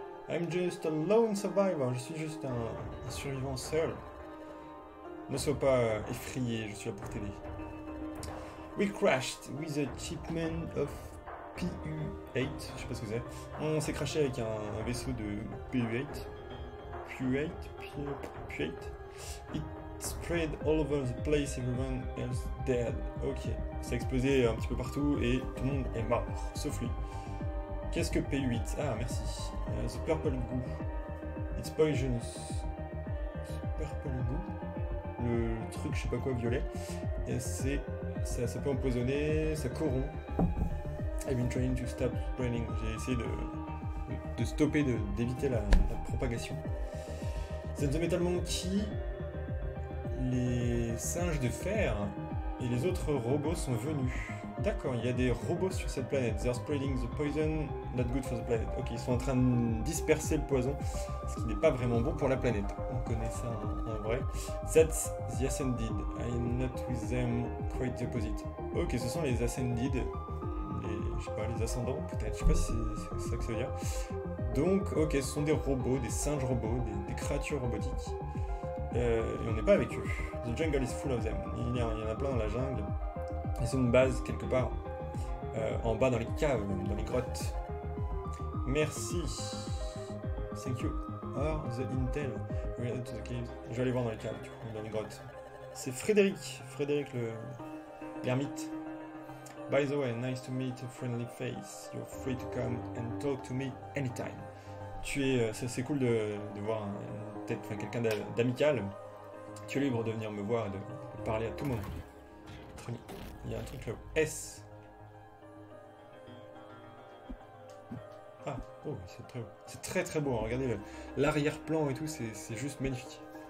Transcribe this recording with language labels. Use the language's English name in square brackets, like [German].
[English] I'm just a lone survivor. [French] Je suis juste un survivant seul. Ne sois pas effrayé, je suis là pour t'aider. [English] We crashed with a shipment of PU-8. [French] Je sais pas ce que c'est. On s'est crashé avec un vaisseau de PU-8. PU-8. [English] It spread all over the place, everyone else dead. [French] Ok, ça a explosé un petit peu partout et tout le monde est mort, sauf lui. Qu'est-ce que PU8? Ah, merci. [English] The purple goo. It's poisonous. [French] Purple goo. Le truc, je sais pas quoi, violet. Et ça peut empoisonner, ça corrompt. [English] I've been trying to stop spreading. [French] J'ai essayé de stopper, d'éviter la propagation. C'est The Metal Monkey. Les singes de fer et les autres robots sont venus. D'accord, il y a des robots sur cette planète. [English] They're spreading the poison, not good for the planet. [French] Ok, ils sont en train de disperser le poison, ce qui n'est pas vraiment bon pour la planète. On connaît ça en vrai. [English] That's the Ascended. I'm not with them, quite the opposite. [French] Ok, ce sont les Ascended. Je sais pas, les ascendants, peut-être. Je sais pas si c'est ça que ça veut dire. Donc, ok, ce sont des robots, des singes robots, des créatures robotiques. Et on n'est pas avec eux. [English] The jungle is full of them. [French] Il y en a plein dans la jungle. Ils sont une base quelque part en bas dans les caves, dans les grottes. [English] Merci. Thank you. Or the intel. Okay. [French] Je vais aller voir dans les caves, du coup, dans les grottes. C'est Frédéric. Frédéric l'ermite. [English] By the way, nice to meet a friendly face. You're free to come and talk to me anytime. [French] C'est cool de voir enfin, quelqu'un d'amical. Tu es libre de venir me voir et de parler à tout moment. Très bien. Il y a un truc là-haut. S. Ah, oh, c'est très beau. C'est très très beau. Regardez l'arrière-plan et tout, c'est juste magnifique.